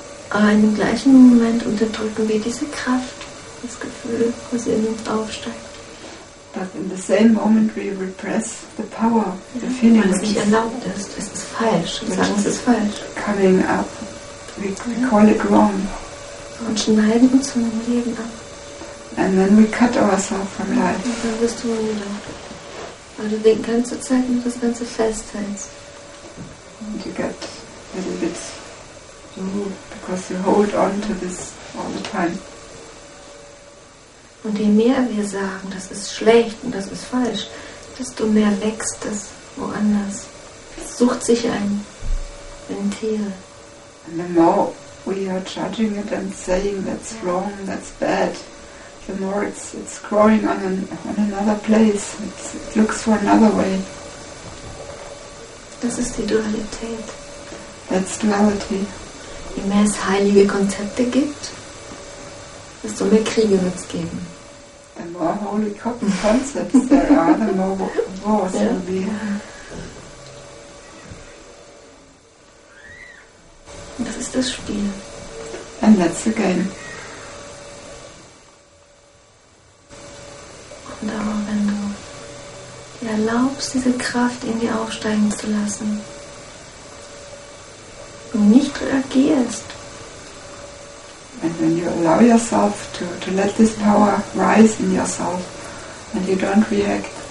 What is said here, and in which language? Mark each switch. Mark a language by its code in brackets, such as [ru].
[de] Aber in dem gleichen Moment unterdrücken wir diese Kraft, das Gefühl, was in uns aufsteigt. [en] But in the same moment we repress the power, the feeling. [de] Weil es nicht erlaubt ist, es ist falsch. Wir sagen, es ist falsch. [en] Coming up, we call it wrong. [de] Und schneiden uns von dem Leben ab. [en] And then we cut ourselves from life. [de] Und dann wirst du unerlaubt. Weil du die ganze Zeit nur das Ganze festhältst. [en] And you get a little bit because you hold on to this all the time. [de] Und je mehr wir sagen, das ist schlecht und das ist falsch, desto mehr wächst es woanders. Es sucht sich ein Ventil. [en] And the more we are judging it and saying that's wrong, that's bad, the more it's growing on another place. It looks for another way. [de] Das ist die Dualität. [en] That's duality. [de] Je mehr es heilige Konzepte gibt, desto mehr Kriege wird es geben. [en] The more holy concepts there are, the more wars will be. [de] Das ist das Spiel. [en] And that's the game. [de] Und aber wenn du dir erlaubst, diese Kraft in dir aufsteigen zu lassen und nicht reagierst, [en] and when you allow yourself to let this power rise in yourself and you don't react,